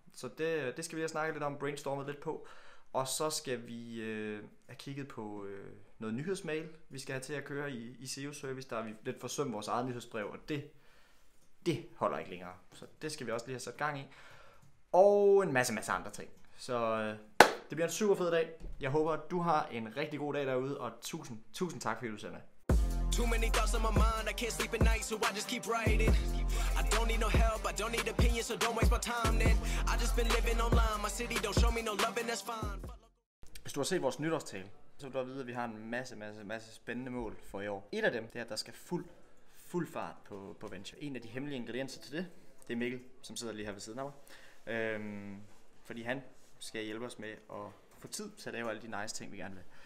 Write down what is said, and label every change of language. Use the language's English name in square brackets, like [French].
[Danish] Så det skal vi have snakket lidt om, brainstormet lidt på. Og så skal vi have kigget på noget nyhedsmail, vi skal have til at køre i SEO Service. Der har vi lidt forsømt vores eget nyhedsbrev, og det holder ikke længere. Så det skal vi også lige have sat gang i. Og en masse andre ting. Så det bliver en super fed dag. Jeg håber, at du har en rigtig god dag derude, og tusind tak for, at du sender. [English] Too many thoughts on my mind, I can't sleep at night, so I just keep writing. I don't need no help, I don't need opinions, so don't waste my time then. I just been living online, my city don't show me no love and that's fine. [Danish] Hvis du har set vores nytårstale, så vil du vide, at vi har en masse spændende mål for i år. Et af dem, det er, at der skal fuld fart på venture. En af de hemmelige ingredienser til det, det er Mikkel, som sidder lige her ved siden af mig. Fordi han skal hjælpe os med at få tid til at lave alle de nice ting, vi gerne vil.